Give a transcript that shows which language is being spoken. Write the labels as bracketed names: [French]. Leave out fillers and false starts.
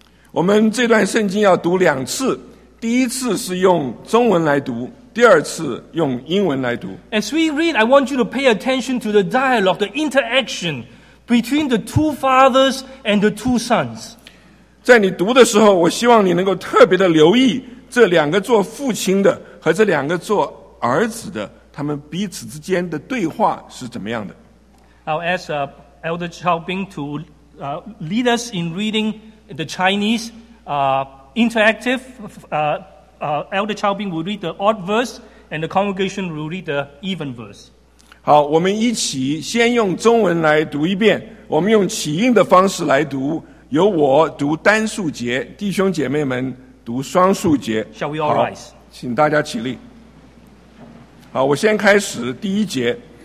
[Chinese] 我们这段圣经要读两次，第一次是用中文来读，第二次用英文来读。 [English] As we read, I want you to pay attention to the dialogue, the interaction between the two fathers and the two sons. [Chinese] 在你读的时候，我希望你能够特别的留意这两个做父亲的和这两个做儿子的，他们彼此之间的对话是怎么样的。 [English] I'll ask Elder Chao Bing to lead us in reading the Chinese interactive. Elder Chao Bing will read the odd verse, and the congregation will read the even verse. [Chinese] 好，我们一起先用中文来读一遍。我们用起音的方式来读，由我读单数节，弟兄姐妹们读双数节。 [English] Shall we all rise? [Chinese] 请大家起立。好，我先开始第一节。